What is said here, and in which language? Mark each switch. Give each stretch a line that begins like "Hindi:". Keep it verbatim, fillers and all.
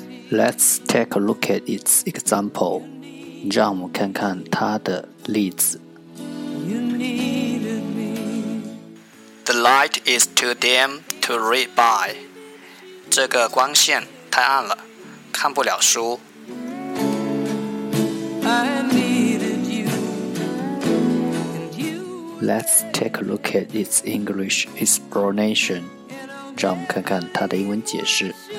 English: Let's take a look at its example.
Chinese: 让我们看看它的例子。
English: The light is too dim to read by.
Chinese: 这个光线太暗了，看不了书。
English: I needed you, and you. Let's take a look at its English explanation.
Chinese: 让我们看看它的英文解释。